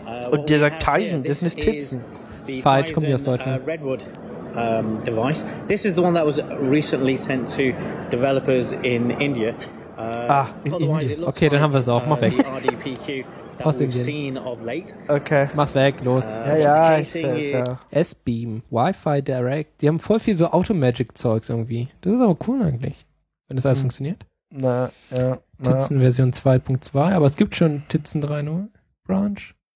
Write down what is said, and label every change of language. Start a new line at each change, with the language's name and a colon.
German: Und der sagt Tyson, das ist Titzen. Das ist falsch, kommt aus Deutschland.
English: Redwood device. This is the one that was recently sent to developers in India. Ah, in India.
German: Okay, dann haben wir es auch. Mach weg. Aus okay. Mach's weg, los. Ja, ich sehe es, ja. S-Beam, Wi-Fi Direct. Die haben voll viel so Automagic-Zeugs irgendwie. Das ist aber cool eigentlich, wenn das alles funktioniert. Na, ja. Titzen-Version 2.2, aber es gibt schon Titzen 3.0 Branch.